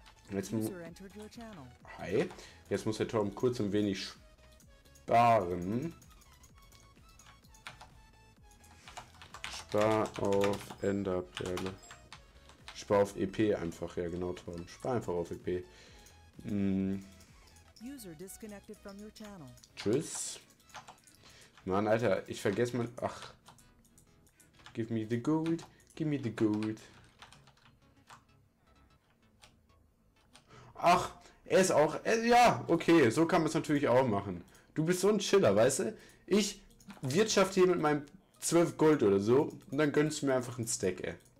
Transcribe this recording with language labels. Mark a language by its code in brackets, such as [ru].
[de] Jetzt muss der Turm kurz ein wenig sparen. Spar auf Enderperle. Spar auf EP einfach, ja genau, Tom. Spar einfach auf EP. [en] User disconnected from your channel. [de] Tschüss. Mann, Alter, ich vergesse mein... Ach. [en] Give me the gold. Give me the gold. [de] Ach, er ist auch. Ja, okay, so kann man es natürlich auch machen. Du bist so ein Chiller, weißt du? Ich wirtschafte hier mit meinem 12 Gold oder so und dann gönnst du mir einfach ein Steak, ey.